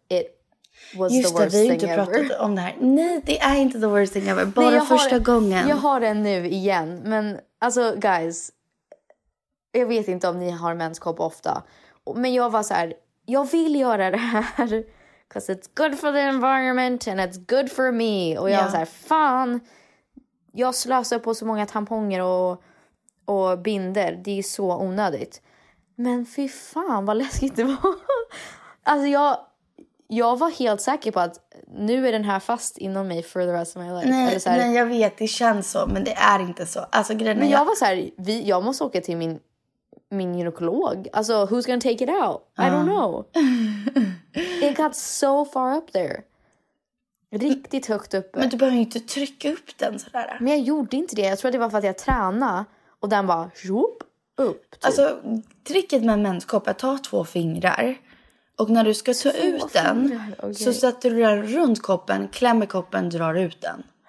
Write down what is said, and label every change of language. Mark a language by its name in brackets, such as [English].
[English] It was just the worst [Swedish] det, vi [English] thing [Swedish] inte [English] ever. [Swedish] Pratat om det här. Nej, det är inte [English] the worst thing ever. [Swedish] Bara nej, första gången. Jag har den nu igen. Men alltså, guys... Jag vet inte om ni har menskopp ofta. Men jag var så här, jag vill göra det här. [English] Because it's good for the environment and it's good for me. [Swedish] Och jag var så här, fan. Jag slösar på så många tamponger och binder. Det är så onödigt. Men fy fan, vad läskigt det var. Alltså jag var helt säker på att nu är den här fast inom mig [English] for the rest of my life. [Swedish] Nej, jag vet, det känns så. Men det är inte så. Alltså, men jag var så här, jag måste åka till min gynekolog. [English] Alltså, who's gonna take it out? I don't know. It got so far up there. [Swedish] Riktigt högt uppe. Men du behöver inte trycka upp den sådär. Men jag gjorde inte det. Jag tror att det var för att jag tränade. Och den bara, tjup, upp. Typ. Alltså, tricket med en mänskap är att ta två fingrar. Och när du ska ta ut den, okay, så sätter du den runt koppen, klämmer koppen, drar ut den.